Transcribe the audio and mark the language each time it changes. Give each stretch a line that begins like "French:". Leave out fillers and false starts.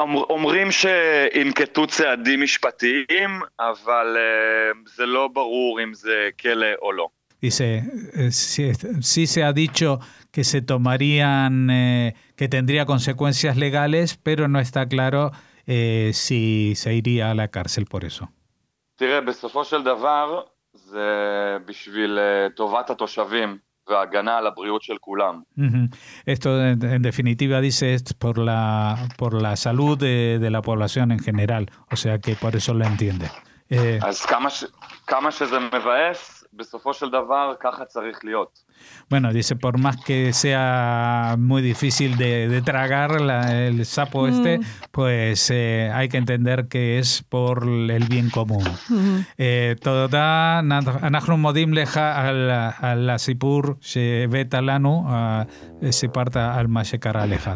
Hebrew: אומרים שינקטו צעדים משפטיים, אבל זה לא ברור אם זה כלא או לא.
Spanish: Dice, sí se ha dicho que se tomarían, que tendría consecuencias legales, pero no está claro si se iría a la cárcel por eso.
Hebrew: תראה, בסופו של דבר, זה בשביל טובת התושבים והגנה על הבריאות של כולם.
Spanish: Esto, en definitiva, dice, es por la salud de la población en general. O sea, que por eso lo entiende.
Hebrew: אז כמה שזה מבאס, בסופו של דבר ככה צריך להיות.
Spanish: Bueno, dice, por más que sea muy difícil de tragar el sapo este, pues hay que entender que es por el bien común.
Hebrew: Toda אנחנו מודים לך על הסיפור שהבאת לנו, סיפרת על מה שקרה לך.